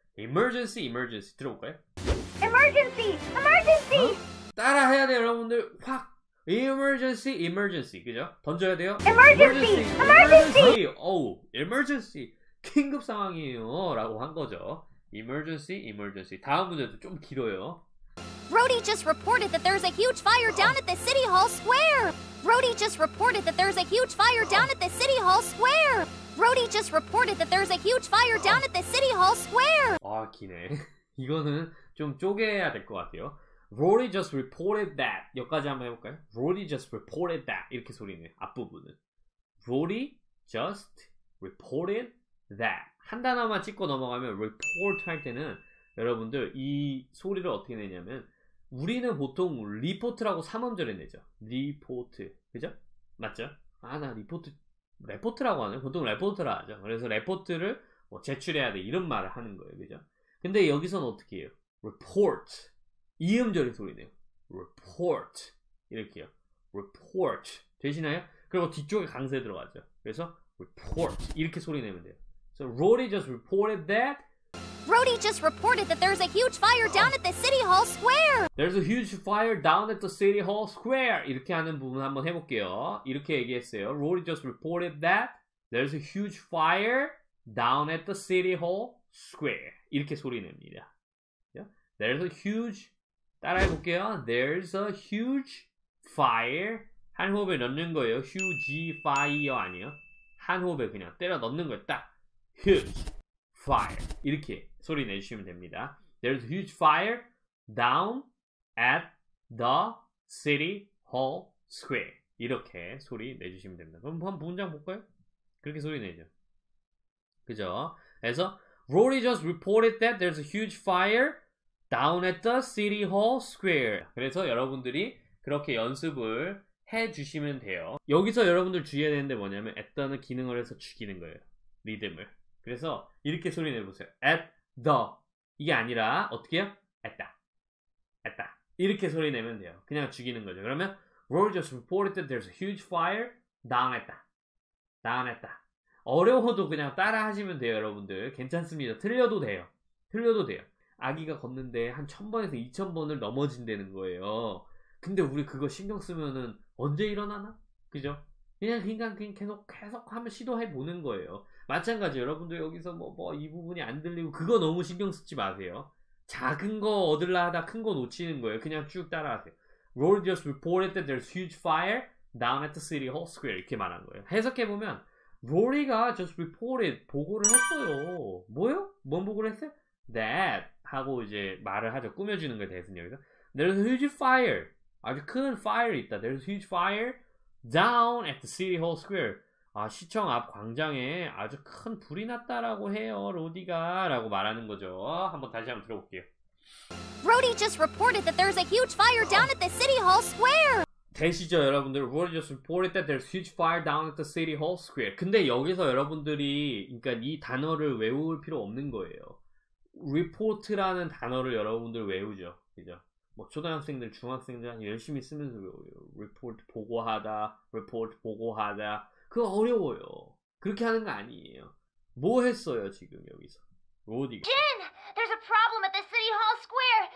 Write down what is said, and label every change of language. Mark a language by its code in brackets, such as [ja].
[ko] Emergency 들어볼까요? Emergency 어? 따라 해야 돼요, 여러분들. 확! Emergency 그죠? 던져야 돼요. [en] Emergency [ko] 긴급 상황이에요 라고 한 거죠. Emergency 다음 문제도 좀 길어요. [en] Brody just reported that there's a huge fire down at the City Hall Square. Brody just reported that there's a huge fire down at the City Hall Square. Brody just reported that there's a huge fire down at the City Hall Square. [ko] 아, 기네. 이거는 좀 쪼개야 될 것 같아요. [en] Brody just reported that. [ko] 여기까지 한번 해볼까요? [en] Brody just reported that. [ko] 이렇게 소리네, 앞부분은. [en] Brody just reported that. [ko] 한 단어만 찍고 넘어가면 report 할 때는 여러분들 이 소리를 어떻게 내냐면 우리는 보통 리포트라고 삼음절에 내죠. 리포트. 그죠? 맞죠? 아, 나 리포트, 레포트라고 하네. 보통 레포트라 하죠. 그래서 레포트를 뭐 제출해야 돼. 이런 말을 하는 거예요. 그죠? 근데 여기서는 어떻게 해요? report. 이음절의 소리네요. report. 이렇게요. report. 되시나요? 그리고 뒤쪽에 강세 들어가죠. 그래서 report. 이렇게 소리 내면 돼요. [en] So, Rory just reported that. Brody just reported that there's a huge fire down at the City Hall Square. There's a huge fire down at the City Hall Square. [ko] 이렇게 하는 부분 한번 해볼게요. 이렇게 얘기했어요. [en] Brody just reported that there's a huge fire down at the City Hall Square. [ko] 이렇게 소리 냅니다. [en] There's a huge [ko] 따라해볼게요. [en] There's a huge fire [ko] 한 호흡에 넣는 거예요. Huge fire 아니에요. 한 호흡에 그냥 때려 넣는 거예요. 딱 huge fire 이렇게 소리 내주시면 됩니다. [en] There's a huge fire down at the city hall square. [ko] 이렇게 소리 내주시면 됩니다. 그럼 한 문장 볼까요? 그렇게 소리 내죠. 그죠? [en] 그래서 Rory just reported that there's a huge fire down at the city hall square. [ko] 그래서 여러분들이 그렇게 연습을 해주시면 돼요. 여기서 여러분들 주의해야 되는데 뭐냐면 at다는 기능을 해서 죽이는 거예요. 리듬을. 그래서 이렇게 소리 내보세요. at the 이게 아니라 어떻게 해요? at다. at다. 이렇게 소리 내면 돼요. 그냥 죽이는 거죠. 그러면 [en] Rory just reported that there's a huge fire down at다. down at다. [ko] 어려워도 그냥 따라 하시면 돼요, 여러분들. 괜찮습니다. 틀려도 돼요. 틀려도 돼요. 아기가 걷는데 한 1000번에서 2000번을 넘어진다는 거예요. 근데 우리 그거 신경 쓰면은 언제 일어나나? 그죠? 그냥 계속 한번 시도해 보는 거예요. 마찬가지 여러분들 여기서 이 부분이 안 들리고 그거 너무 신경 쓰지 마세요. 작은 거 얻으려 하다 큰 거 놓치는 거예요. 그냥 쭉 따라하세요. [en] Rory just reported that there's huge fire down at the city hall square. [ko] 이렇게 말한 거예요. 해석해 보면 Rory가 [en] just reported [ko] 보고를 했어요. 뭐요? 뭔 보고를 했어요? That 하고 이제 말을 하죠. 꾸며주는 거에 대해서는 여기서 [en] There's a huge fire. [ko] 아주 큰 fire 있다. [en] There's a huge fire down at the city hall square. [ko] 아, 시청 앞 광장에 아주 큰 불이 났다라고 해요. 로디가 라고 말하는 거죠. 한번 다시 한번 들어볼게요. [en] Rody just reported that there's a huge fire down at the city hall square. [ko] 되시죠 여러분들? [en] Rody just reported that there's a huge fire down at the city hall square. [ko] 근데 여기서 여러분들이 그러니까 이 단어를 외울 필요 없는 거예요. report라는 단어를 여러분들 외우죠. 그죠? 뭐 초등학생들, 중학생들 열심히 쓰면서 외워요. report 보고하다, report 보고하다. 그거 어려워요. 그렇게 하는 거 아니에요. 뭐 했어요, 지금 여기서? 로디가. [en] Jin, there's a problem at the city hall square.